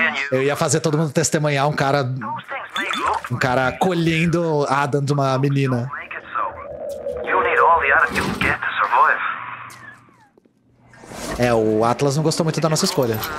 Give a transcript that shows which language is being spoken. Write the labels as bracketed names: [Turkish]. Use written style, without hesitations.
[Portuguese] Eu ia fazer todo mundo testemunhar um cara colhendo Adam de uma menina. [English] You need all the Adam you can get to survive. [Portuguese] É, o Atlas não gostou muito da nossa escolha.